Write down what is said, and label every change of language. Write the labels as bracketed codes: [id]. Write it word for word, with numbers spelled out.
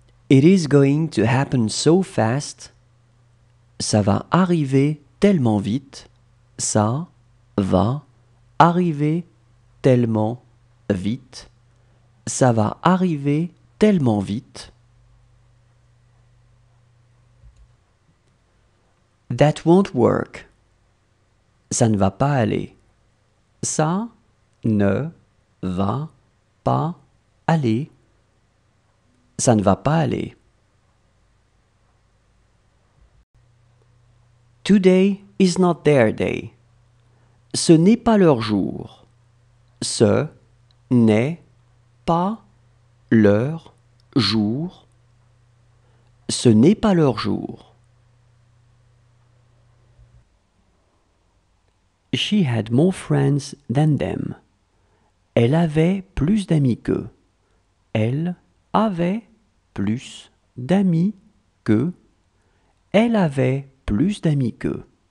[en] It is going to happen so fast. [fr] Ça va arriver tellement vite. Ça va arriver tellement vite. Ça va arriver tellement vite. [en] That won't work. [fr] Ça ne va pas aller. Ça ne va pas aller. Ça ne va pas aller. [en] Today is not their day. [fr] Ce n'est pas leur jour. Ce n'est pas leur jour. Ce n'est pas leur jour. [en] She had more friends than them. [fr] Elle avait plus d'amis qu'eux. Elle avait plus d'amis qu'eux. Elle avait plus d'amis qu'eux.